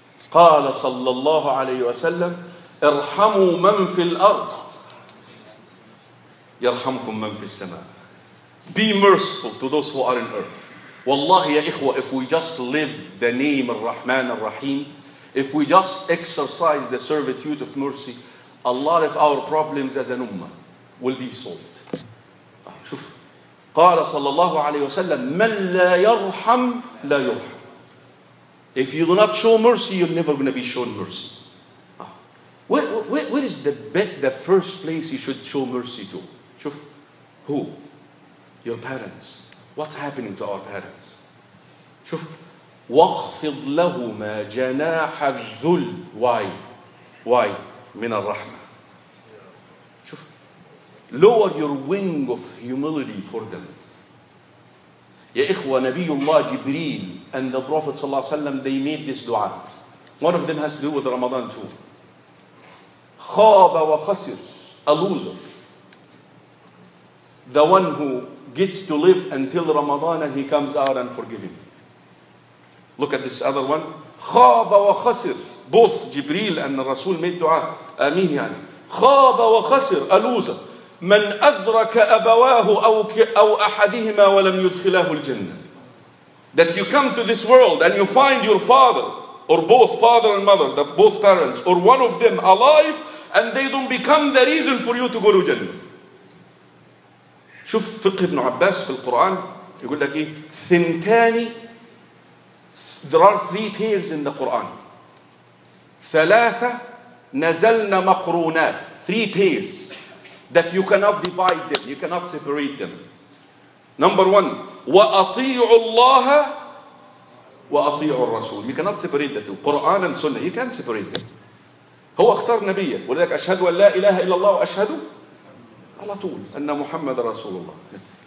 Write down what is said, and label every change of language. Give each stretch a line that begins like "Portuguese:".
Arabic: قال صلى الله عليه وسلم ارحموا من في الأرض يرحمكم من في السماء.
English: Be merciful to those who are in earth.
Arabic: والله يا إخوة,
English: if we just live the name
Arabic: الرحمن الرحيم,
English: if we just exercise the servitude of mercy, a lot of our problems as an ummah will be solved.
Arabic: شوف, قال صلى الله عليه وسلم من لا يرحم لا يرحم.
English: If you do not show mercy, you're never going to be shown mercy. Where is the first place you should show mercy to?
Arabic: شوف,
English: who? Your parents. What's happening to our parents?
Arabic: شوف, واخفض لهما جناح الذل.
English: Why?
Arabic: من الرحمة.
English: شوف, lower your wing of humility for them.
Arabic: يا إخوة, نبي الله جبريل
English: and the Prophet
Arabic: صلى الله عليه وسلم,
English: they made this dua. One of them has to do with Ramadan too.
Arabic: خاب وخسر,
English: a loser. The one who gets to live until Ramadan and he comes out unforgiving. Look at this other one.
Arabic: خاب وخسر.
English: Both Jibril and the Rasul made dua.
Arabic: آمين يعني. خاب وخسر,
English: a loser.
Arabic: من أدرك أبواه أو أحدهما ولم يدخله الجنة.
English: That you come to this world and you find your father or both father and mother, the both parents or one of them alive and they don't become the reason for you to go to Jannah.
Arabic: شوف فقه ابن عباس في القرآن يقول لك إيه, ثنتان,
English: there are three pairs in the Quran.
Arabic: ثلاثة نزلنا مقرونات,
English: three pairs that you cannot divide them, you cannot separate them. Number one,
Arabic: وَأَطِيعُ اللَّهَ وَأَطِيعُ الرَّسُولِ.
English: You cannot separate the two, Quran and Sunnah, you can't separate them.
Arabic: هو اختار نبيا, ولذلك أشهد أن لا إله إلا الله وأشهد على طول أن محمد رسول الله.